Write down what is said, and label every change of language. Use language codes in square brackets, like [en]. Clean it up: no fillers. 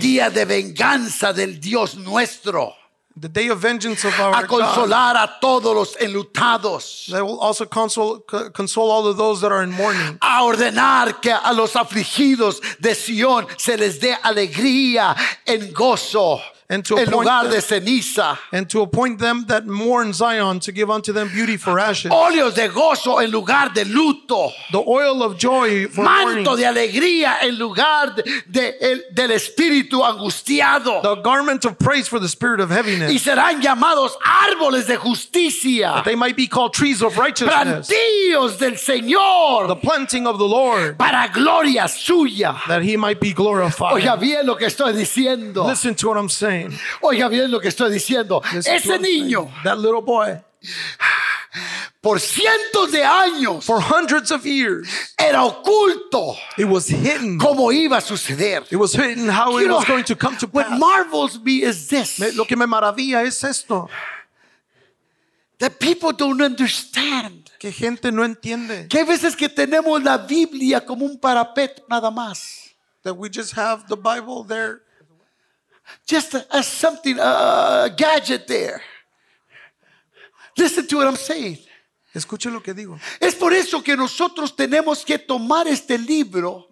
[es] Y el día de venganza del Dios nuestro. [en] The day of vengeance of our God. [es] A consolar a todos los enlutados. [en] They will also console all of those that are in mourning. [es] A ordenar que a los afligidos de Sion se les dé alegría en gozo. [en] And to, appoint them that mourn Zion to give unto them beauty for ashes. [es] Óleos de gozo en lugar de luto. [en] The oil of joy for mourning. [es] Manto de alegría en lugar del espíritu angustiado. [en] The garment of praise for the spirit of heaviness. [es] Y serán llamados árboles de justicia. [en] That they might be called trees of righteousness. [es] Plantíos del Señor. [en] The planting of the Lord. [es] Para gloria suya. [en] That he might be glorified. [es] Oiga bien lo que estoy diciendo. [en] Listen to what I'm saying. [es] Oiga bien lo que estoy diciendo. Ese niño, [en] that little boy, [es] por cientos de años, [en] for hundreds of years, [es] era oculto. [en] It was hidden. [es] Cómo iba a suceder. [en] It was hidden how it was going to come to pass. What marvels me is this. [es] Lo que me maravilla es esto. [en] That people don't understand. [es] Que gente no entiende. Que hay veces que tenemos la Biblia como un parapet nada más. [en] That we just have the Bible there. Just as something, a gadget there. Listen to what I'm saying. [es] Escuche lo que digo. Es por eso que nosotros tenemos que tomar este libro.